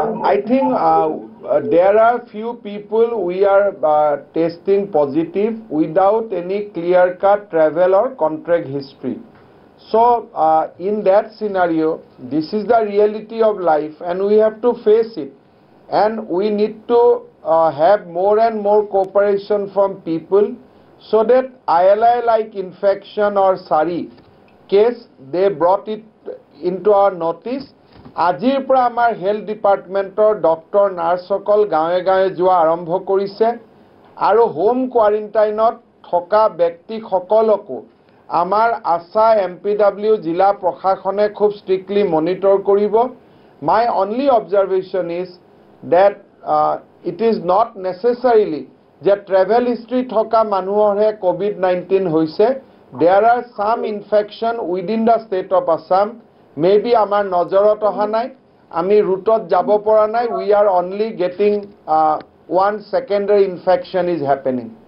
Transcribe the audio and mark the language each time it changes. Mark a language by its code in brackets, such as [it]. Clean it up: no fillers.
[en] I think there are few people we are testing positive without any clear cut travel or contact history. So in that scenario, this is the reality of life and we have to face it, and we need to have more and more cooperation from people so that ILI like infection or SARI case, they brought it into our notice. [as] Ajir pra amar health department or doctor nurse sokol gaave gaave jua arambho korise aro home quarantine thoka byakti sokoloku আমাৰ আশা M P W জিলা প্ৰশাসনে খুব strictly monitor কৰিব। [en] my only observation is that it is not necessarily [as] যে travel history থকা মানুহৰহে Covid 19 হৈছে। [en] there are some infection within the state of Assam, maybe [as] আমাৰ নজৰত অহা নাই, আমি ৰুটত যাব পৰা নাই, [en] We are only getting one secondary infection is happening.